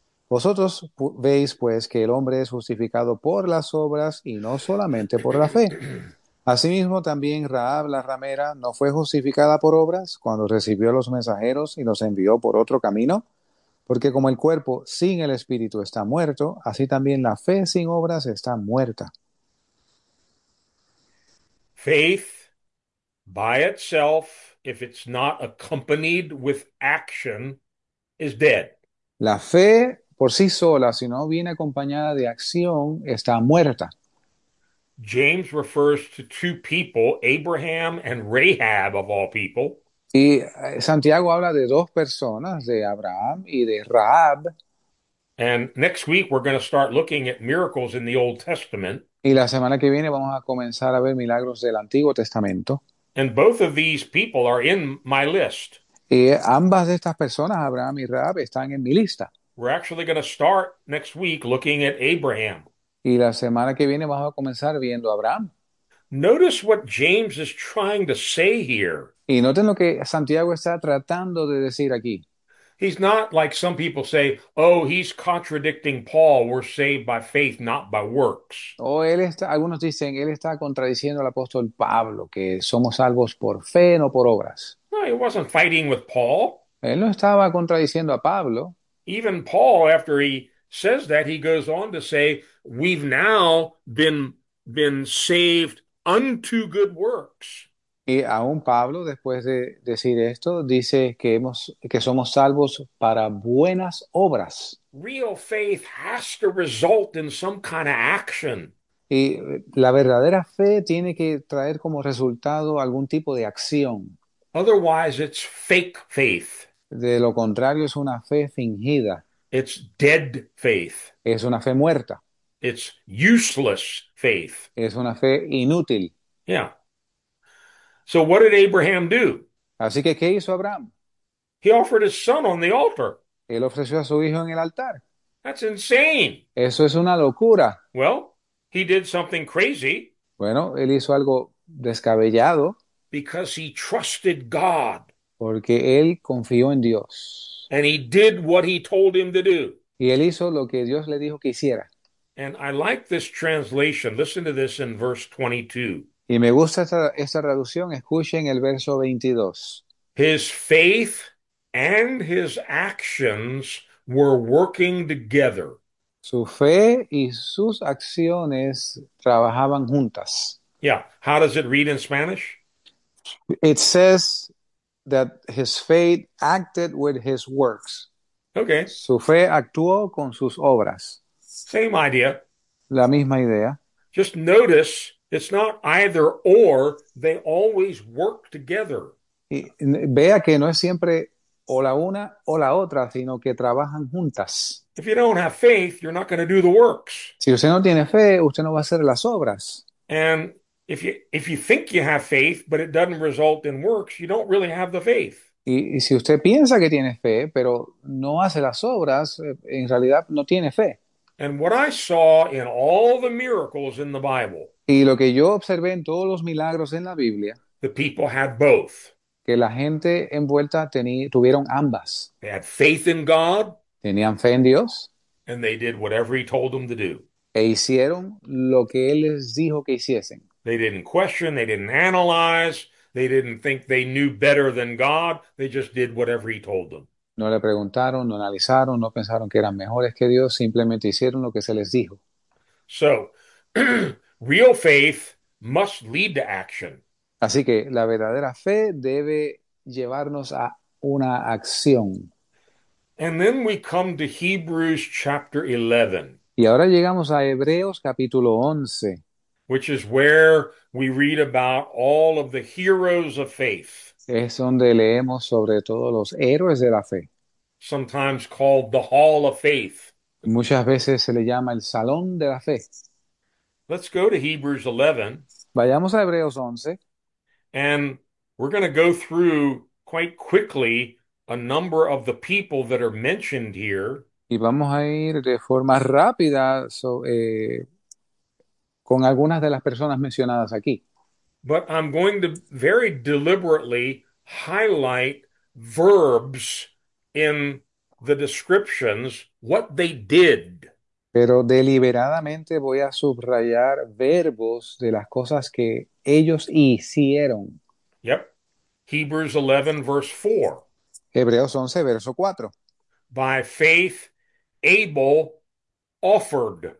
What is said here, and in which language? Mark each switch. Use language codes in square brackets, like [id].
[es] Vosotros veis, pues, que el hombre es justificado por las obras y no solamente por la fe. Asimismo, también Rahab la ramera no fue justificada por obras cuando recibió a los mensajeros y los envió por otro camino. Porque como el cuerpo sin el espíritu está muerto, así también la fe sin obras está muerta. [en] Faith by itself, if it's not accompanied with action, is dead. [es] La fe por sí sola, si no viene acompañada de acción, está muerta. [en] James refers to two people, Abraham and Rahab, of all people. [es] Y Santiago habla de dos personas, de Abraham y de Rahab. [en] And next week we're going to start looking at miracles in the Old Testament. [es] Y la semana que viene vamos a comenzar a ver milagros del Antiguo Testamento. [en] And both of these people are in my list. [es] Y ambas de estas personas, Abraham y Rahab, están en mi lista. [en] We're actually going to start next week looking at Abraham. [es] Y la semana que viene vamos a comenzar viendo a Abraham. [en] Notice what James is trying to say here. [es] Y noten lo que Santiago está tratando de decir aquí. [en] He's not like some people say, oh, he's contradicting Paul, we're saved by faith, not by works. [es] Algunos dicen, él está contradiciendo al apóstol Pablo, que somos salvos por fe, no por obras. [en] No, he wasn't fighting with Paul. [es] Él no estaba contradiciendo a Pablo. [en] Even Paul, after he says that, he goes on to say, we've now been saved unto good works. [es] Y aún Pablo, después de decir esto, dice que somos salvos para buenas obras. [en] Real faith has to result in some kind of action. [es] Y la verdadera fe tiene que traer como resultado algún tipo de acción. [en] Otherwise, it's fake faith. [es] De lo contrario, es una fe fingida. [en] It's dead faith. [es] Es una fe muerta. [en] It's useless faith. [es] Es una fe inútil. [en] Yeah. So what did Abraham do? [es] Así que, ¿qué hizo Abraham? [en] He offered his son on the altar. [es] Él ofreció a su hijo en el altar. [en] That's insane. [es] Eso es una locura. [en] Well, he did something crazy. [es] Bueno, él hizo algo descabellado. [en] Because he trusted God. [es] Porque él confió en Dios. [en] And he did what he told him to do. [es] Y él hizo lo que Dios le dijo que hiciera. [en] And I like this translation. Listen to this in verse 22. [es] Y me gusta esta traducción. Escuchen el verso 22. [en] His faith and his actions were working together. [es] Su fe y sus acciones trabajaban juntas. [en] Yeah. How does it read in Spanish? It says that his faith acted with his works. Okay. [es] Su fe actuó con sus obras. [en] Same idea. [es] La misma idea. [en] Just notice, it's not either or, they always work together. [es] Y vea que no es siempre o la una o la otra, sino que trabajan juntas. [en] If you don't have faith, you're not going to do the works. [es] Si usted no tiene fe, usted no va a hacer las obras. [en] And if you think you have faith, but it doesn't result in works, you don't really have the faith. [es] Y si usted piensa que tiene fe, pero no hace las obras, en realidad no tiene fe. [en] And what I saw in all the miracles in the Bible. [es] Y lo que yo observé en todos los milagros en la Biblia. [en] The people had both. [es] que la gente envuelta tuvieron ambas. [en] They had faith in God, [es] Tenían fe en Dios [en] and they did whatever he told them to do. [es] e hicieron lo que él les dijo que hiciesen. [en] They didn't question, they didn't analyze, they didn't think they knew better than God, they just did whatever he told them. [es] No le preguntaron, no analizaron, no pensaron que eran mejores que Dios, simplemente hicieron lo que se les dijo. [en] So, real faith must lead to action. [es] Así que la verdadera fe debe llevarnos a una acción. [en] And then we come to Hebrews chapter 11, [es] Y ahora llegamos a Hebreos capítulo 11. [en] which is where we read about all of the heroes of faith, [es] Es donde leemos sobre todos los héroes de la fe. [en] sometimes called the Hall of Faith. [es] Muchas veces se le llama el Salón de la Fe. [en] Let's go to Hebrews 11, [es] Vayamos a Hebreos 11. [en] and we're going to go through quite quickly a number of the people that are mentioned here. [es] Y vamos a ir de forma rápida con algunas de las personas mencionadas aquí. [en] But I'm going to very deliberately highlight verbs in the descriptions, what they did. [es] Pero deliberadamente voy a subrayar verbos de las cosas que ellos hicieron. [en] Yep. Hebrews 11, verse 4. [es] Hebreos 11, verso 4. [en] By faith, Abel offered.